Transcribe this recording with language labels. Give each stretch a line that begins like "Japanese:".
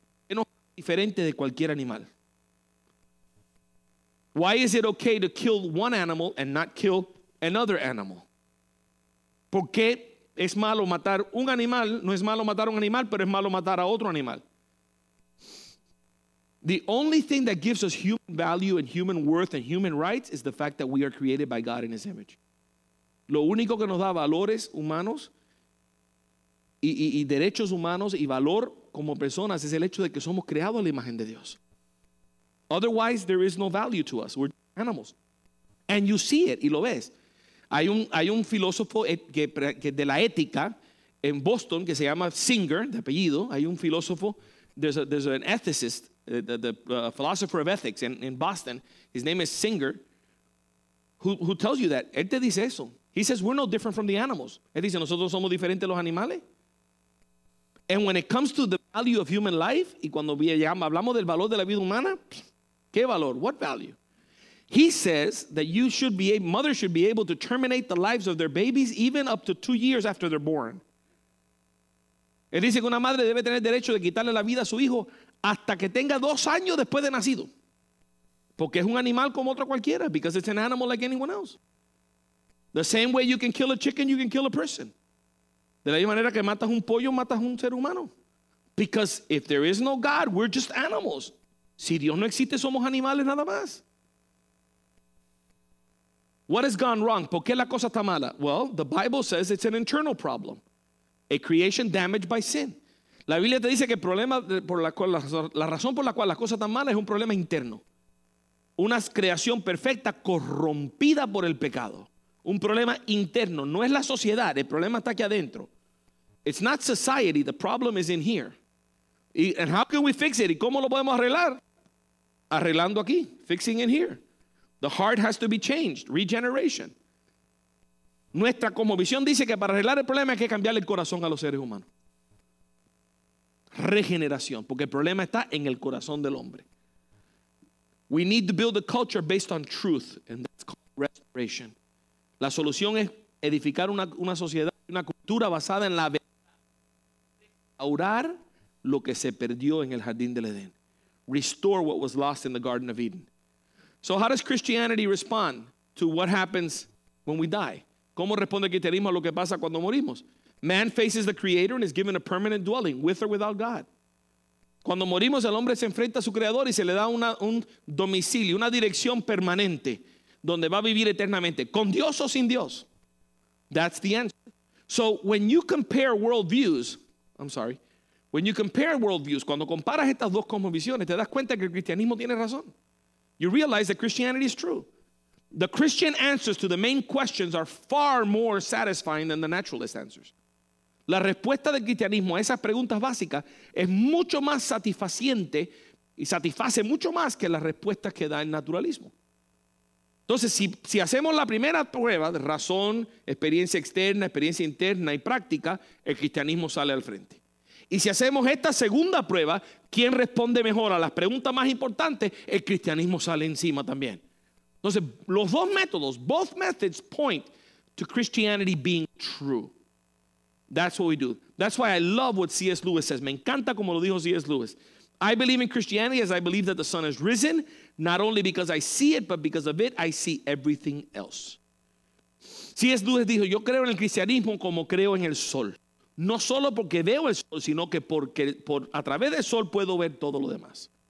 Spanish: ¿Qué nos hace diferente de cualquier animal?
English: Why is it okay to kill one animal and not kill another animal?
Spanish: ¿Por qué es malo matar un animal? No es malo matar un animal, pero es malo matar a otro animal.
English: The only thing that gives us human value and human worth and human rights is the fact that we are created by God in his image.
Spanish: Lo único que nos da valores humanos y derechos humanos y valor como personas es el hecho de que somos creados a la imagen de Dios.
English: Otherwise, there is no value to us. We're animals. And you see it,
Spanish: y lo ves. Hay un filósofo que de la ética en Boston que se llama Singer, de apellido. Hay un filósofo,
English: there's an ethicist, the philosopher of ethics in Boston. His name is Singer, who tells you that.
Spanish: Él te dice eso.
English: He says, we're no different from the animals.
Spanish: Él dice, nosotros somos diferentes a los animales.
English: And when it comes to the value of human life,
Spanish: y cuando hablamos del valor de la vida humana, ¿qué valor?
English: What value? He says that mothers should be able to terminate the lives of their babies even up to 2 years after they're born.
Spanish: Él dice que una madre debe tener derecho de quitarle la vida a su hijo hasta que tenga 2 años después de nacido. Porque es un animal como otro cualquiera,
English: because it's an animal like anyone else. The same way you can kill a chicken, you can kill a person.
Spanish: De la misma manera que matas un pollo, matas un ser humano.
English: Because if there is no God, we're just animals.
Spanish: Si Dios no existe, somos animales nada más.
English: What has gone wrong?
Spanish: ¿Por qué la cosa está mala?
English: Well, the Bible says it's an internal problem. A creation damaged by sin.
Spanish: La Biblia te dice que el problema, la razón por la cual la cosa está mala es un problema interno. Una creación perfecta corrompida por el pecado. Un problema interno. No es la sociedad, el problema está aquí adentro.
English: It's not society, the problem is in here. And how can we fix it?
Spanish: ¿Y cómo lo podemos arreglar? Arreglando aquí,
English: fixing in here. The heart has to be changed, regeneration.
Spanish: Nuestra cosmovisión dice que para arreglar el problema hay que cambiar el corazón a los seres humanos. Regeneración, porque el problema está en el corazón del hombre.
English: We need to build a culture based on truth, and that's called restoration.
Spanish: La solución es edificar una sociedad, una cultura basada en la verdad. Orar lo que se perdió en el jardín del Edén.
English: Restore what was lost in the Garden of Eden. So how does Christianity respond to what happens when we die?
Spanish: ¿Cómo responde el cristianismo a lo que pasa cuando morimos?
English: Man faces the creator and is given a permanent dwelling, with or without God.
Spanish: Cuando morimos, el hombre se enfrenta a su creador y se le da un domicilio, una dirección permanente, donde va a vivir eternamente, con Dios o sin Dios.
English: That's the answer. So when you compare worldviews, I'm sorry, when you compare worldviews,
Spanish: cuando comparas estas dos cosmovisiones, te das cuenta que el cristianismo tiene razón.
English: You realize that Christianity is true. The Christian answers to the main questions are far more satisfying than the naturalist answers.
Spanish: La respuesta del cristianismo a esas preguntas básicas es mucho más satisfaciente y satisface mucho más que la respuesta que da el naturalismo. Entonces, si hacemos la primera prueba de razón, experiencia externa, experiencia interna y práctica, el cristianismo sale al frente. Y si hacemos esta segunda prueba, ¿quién responde mejor a las preguntas más importantes? El cristianismo sale encima también. Entonces, los dos métodos,
English: both methods point to Christianity being true. That's what we do. That's why I love what C.S. Lewis says.
Spanish: Me encanta como lo dijo C.S. Lewis.
English: I believe in Christianity as I believe that the sun has risen, not only because I see it, but because of it, I see everything else.
Spanish: C.S. Lewis dijo, yo creo en el cristianismo como creo en el sol. No solo porque veo el sol, sino que a través del sol puedo ver todo lo demás.